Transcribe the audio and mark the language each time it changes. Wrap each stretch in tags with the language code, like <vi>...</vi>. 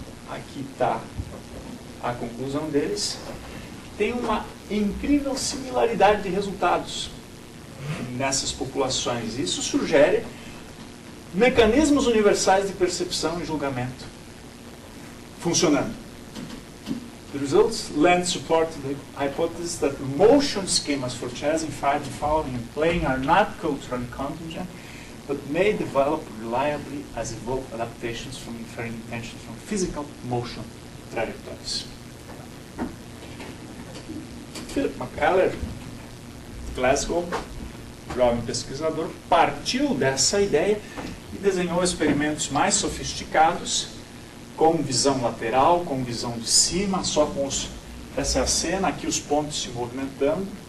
<pt>aqui está a conclusão deles, tem uma incrível similaridade de resultados nessas populações. Isso sugere mecanismos universais de percepção e julgamento funcionando.</pt> <en>The results lend support to the hypothesis that the motion schemas for chess in fighting, following, and playing are not culturally contingent, but may develop reliably as evoked adaptations from inferring intentions from physical motion trajectories.</en> <pt>Philip McKellar, Glasgow, jovem pesquisador, partiu dessa ideia e desenhou experimentos mais sofisticados, com visão lateral, com visão de cima, só com os, essa é a cena, aqui os pontos se movimentando,</pt>